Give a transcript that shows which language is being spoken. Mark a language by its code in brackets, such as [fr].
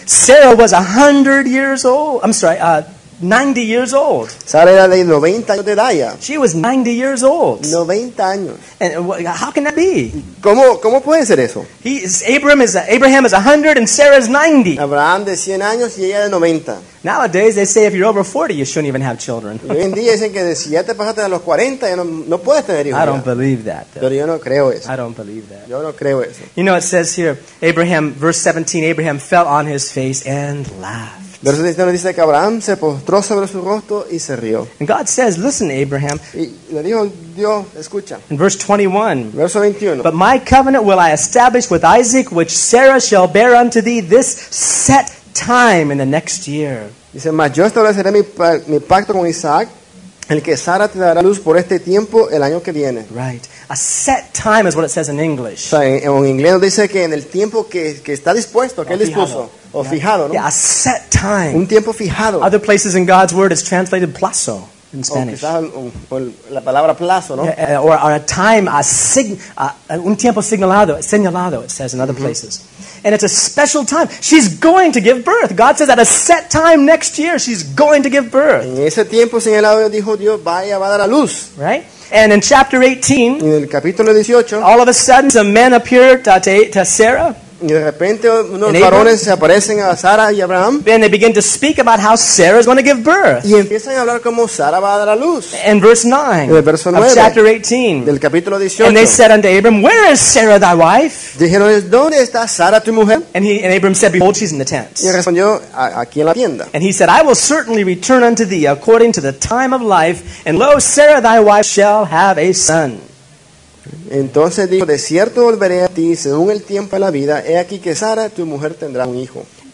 [en] Sarah was 100 years old. I'm sorry, 90 years old. [es] Sara era de 90 años de edad ya. [en] She was 90 years old. [es] 90 años. [en] And how can that be? [es] ¿Cómo puede ser eso? [en] Abraham is 100 and Sarah is 90. [es] Abraham de 100 años y ella de 90. [en] Nowadays they say if you're over 40 you shouldn't even have children. [es] Hoy en día dicen que si ya te pasaste a los 40 ya no puedes tener hijos. [en] I don't believe that. [es] Pero yo no creo eso. [en] I don't believe that. [es] Yo no creo eso. [en] You know it says here, Abraham, verse 17, Abraham fell on his face and laughed. [es] Verso 17 dice que Abraham se postró sobre su rostro y se rió. [en] And God says, listen, Abraham. [es] Y le dijo Dios, escucha. [en] In verse 21. [es] Verso 21. [en] But my covenant will I establish with Isaac, which Sarah shall bear unto thee this set time in the next year. [es] Dice, mas yo estableceré mi pacto con Isaac, el que Sara te dará luz por este tiempo el año que viene. [en] Right. A set time is what it says in English. [es] O sea, en inglés dice que en el tiempo que está dispuesto, que él dispuso. O [en] yeah. [es] Fijado, ¿no? [en] Yeah, a set time. [es] Un tiempo fijado. [en] Other places in God's word is translated plazo in Spanish. [es] La palabra plazo, ¿no? [en] Yeah, or a time, [es] un tiempo señalado, [en] it says in other mm-hmm. places. And it's a special time. She's going to give birth. God says at a set time next year, she's going to give birth. [es] En ese tiempo señalado, dijo Dios, va a dar a luz. [en] Right? And in chapter 18, [es] en el capítulo 18, [en] all of a sudden, some men appear to Sarah. [es] Y de repente unos varones se aparecen a Sara y Abraham. [en] And they begin to speak about how Sarah is going to give birth. [es] Y empiezan a hablar cómo Sara va a dar a luz. [en] And verse 9. [es] En el verso 9 [en] of chapter 18. [es] Del capítulo 18. [en] And they said unto Abram, where is Sarah thy wife? [es] Dijeron, ¿dónde está Sara tu mujer? [en] And Abram said, behold, she's in the tent. [es] Y respondió, aquí en la tienda. [en] And he said, I will certainly return unto thee according to the time of life, and lo, Sarah thy wife shall have a son. [es] Entonces dijo, de cierto volveré a ti según el tiempo de la vida, he aquí que Sara tu mujer tendrá un hijo.